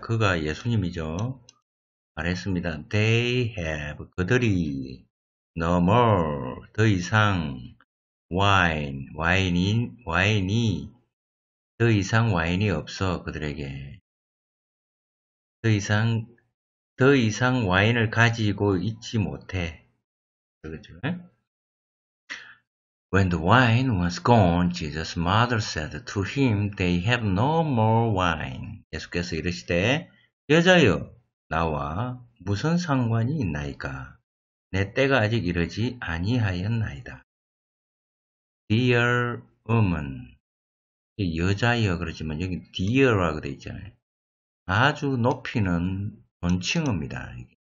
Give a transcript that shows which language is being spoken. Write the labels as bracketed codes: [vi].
[ko] 그가 예수님이죠. 말했습니다. [en] They have [ko] 그들이 [en] no more [ko] 더 이상 wine 와인이 더 이상 와인이 없어 그들에게. 더 이상 와인을 가지고 있지 못해. 그렇죠? [en] When the wine was gone, Jesus' mother said to him, They have no more wine. [ko] 예수께서 이르시되, 여자여, 나와 무슨 상관이 있나이까? 내 때가 아직 이르지 아니하였나이다. [en] Dear woman. [ko] 여자여, 그렇지만 여기 dear라고 되어 있잖아요. 아주 높이는 존칭어입니다.